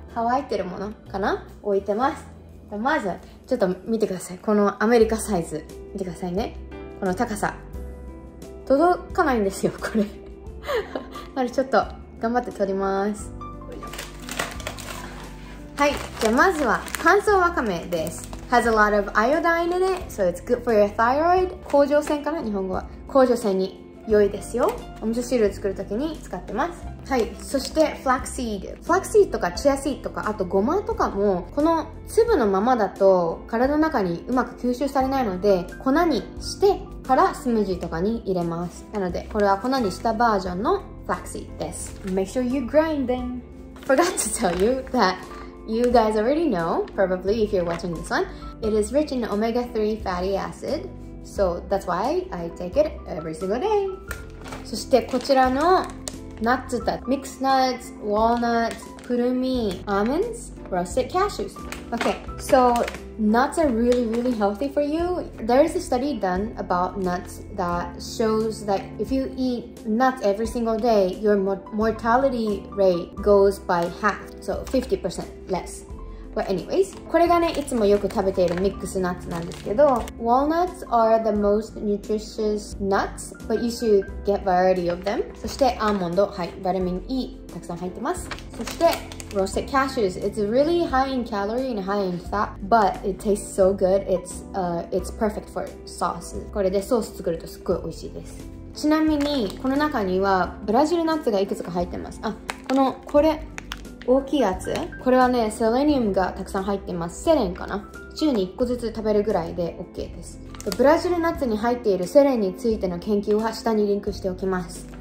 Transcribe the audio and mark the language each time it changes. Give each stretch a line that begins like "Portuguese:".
Japanese: 乾いてるものかな？置いてます。まず、ちょっと見てください。このアメリカサイズ。見てくださいね。この高さ。届かないんですよ、これ。あれ、ちょっと頑張って取ります。はい、じゃあまずは乾燥わかめです。
English: Has a lot of iodine in it, so it's good for your thyroid.
Japanese: 甲状腺かな、日本語は。甲状腺に良いですよ。お味噌汁を作るときに使ってます。はい、そしてフラックシード。フラックシードとかチアシードとか、あとゴマとかも、この粒のままだと体の中にうまく吸収されないので、粉にしてからスムージーとかに入れます。なので、これは粉にしたバージョンのフラックシードです。
English: Make sure you grind them. Forgot to tell you that. You guys already know, probably, if you're watching this one, it is rich in omega-3 fatty acid. So that's why I take it every single day.
Japanese: そしてこちらのナッツたち。
English: Mixed nuts, walnuts, kurumi, almonds, roasted cashews. Okay, so nuts are really, really healthy for you. There is a study done about nuts that shows that if you eat nuts every single day, your mortality rate goes by half. So 50% less. But anyways,
Japanese: これがね、いつもよく食べているミックスナッツなんですけど、
English: Walnuts are the most nutritious nuts, but you should get variety of them.
Japanese: そしてアーモンド、はい、ビタミン E たくさん入ってます。そして
English: roasted cashews, it's really high in calorie and high in fat, but it tastes so good. It's perfect for sauce.
Japanese: これでソース作るとすっごい美味しいです。ちなみにこの中にはブラジルナッツがいくつか入ってます。あ、このこれ。大きいやつ、これはね、セレニウムがたくさん入ってます。セレンかな。週に1個ずつ食べるぐらいで OK です。ブラジルナッツに入っているセレンについての研究は下にリンクしておきます。